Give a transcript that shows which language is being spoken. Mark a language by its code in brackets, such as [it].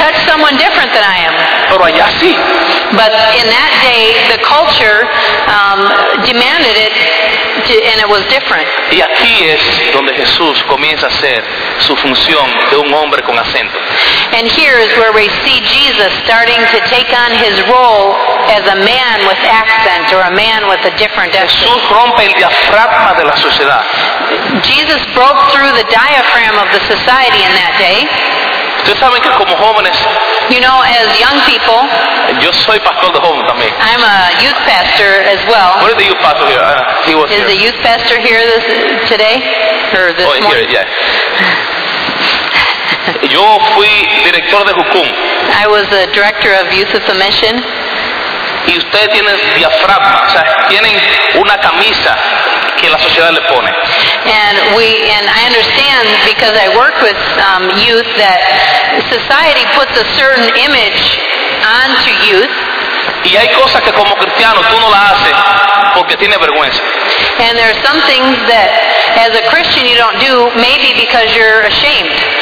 [en] But in that day, the culture demanded it, and it was different. [es] Y aquí es donde Jesús comienza a hacer su función de un hombre con acento. [en] And here is where we see Jesus starting to take on his role as a man with accent or a man with a different accent. [es] Jesús rompe el diafragma de la sociedad. [en] Jesus broke through the diaphragm of the society in that day. [es] Ustedes saben que como jóvenes, [en] you know, as young people, [es] yo soy pastor de jóvenes también. [en] I'm a youth pastor as well. Where is the youth pastor here? He was is here. The youth pastor here this, today? Or this oh, morning? Here, yeah. [es] Yo fui director de Jucum. [en] I was a director of Youth of the Mission. [es] Y ustedes tienen diafragma, o sea, tienen una camisa que la sociedad le pone. [en] And I understand, because I work with youth, that society puts a certain image onto youth. [es] Y hay cosas que como cristiano tú no las haces porque tienes vergüenza. [en] And there are some things that as a Christian you don't do, maybe because you're ashamed.